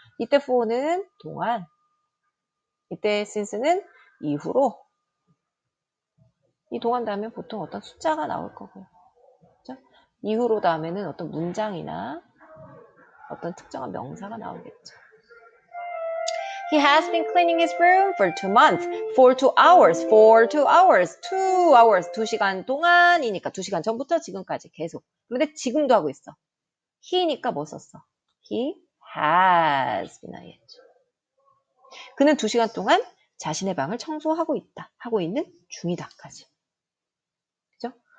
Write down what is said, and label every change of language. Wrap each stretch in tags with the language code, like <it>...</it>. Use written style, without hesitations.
<ko>이때 for는 동안, 이때 since는 이후로. 이 동안 다음에 보통 어떤 숫자가 나올 거고요. 이후로 다음에는 어떤 문장이나 어떤 특정한 명사가 나오겠죠.</ko> <en>He has been cleaning his room for 2 months. For 2 hours. For 2 hours. 2 hours.</en> <ko>2시간 동안이니까 2시간 전부터 지금까지 계속. 그런데 지금도 하고 있어. He니까 뭐 썼어?</ko> <en>He has been ing.</en> <ko>그는 2시간 동안 자신의 방을 청소하고 있다. 하고 있는 중이다까지. 그죠?</ko>